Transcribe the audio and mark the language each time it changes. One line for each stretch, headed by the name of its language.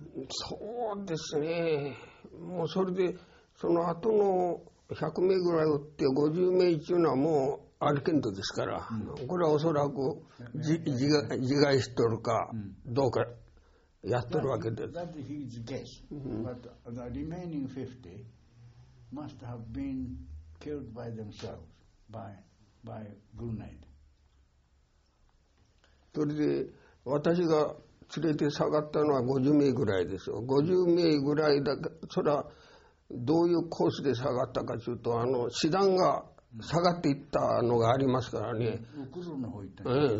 Japanese: そうですね。もうそれでその後の100名ぐらい打って50名というのはもう歩けんとですから、うん、これはおそらく自害しとるかどうかやっとるわけです。
English: That is his guess. But the remaining 50 must have been killed by themselves by grenade.
Japanese: それで私が連れて下がったのは50名ぐらいですよ。 50名ぐらいだけ、それはどういうコースで下がったかというと、あの師団が下がっていったのがありますからね。うん、